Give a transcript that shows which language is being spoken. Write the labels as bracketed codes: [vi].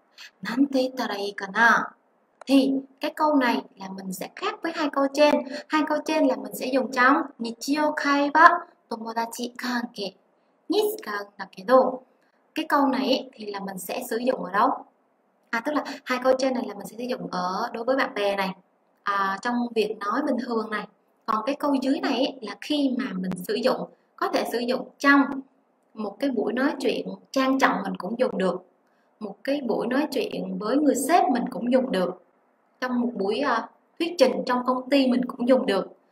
[ja] なんて言えばいいでしょう。なんて言ったらいいかな。 [vi] Thì cái câu này là mình sẽ khác với hai câu trên. Hai câu trên là mình sẽ dùng trong [ja] 日常会話友達関係に使うんだけど. [vi] Cái câu này thì là mình sẽ sử dụng ở đâu? Tức là hai câu trên này là mình sẽ sử dụng ở đối với bạn bè này, trong việc nói bình thường này. Còn cái câu dưới này là khi mà mình sử dụng, có thể sử dụng trong một cái buổi nói chuyện trang trọng mình cũng dùng được, một cái buổi nói chuyện với người sếp mình cũng dùng được, trong một buổi thuyết trình trong công ty mình cũng dùng được.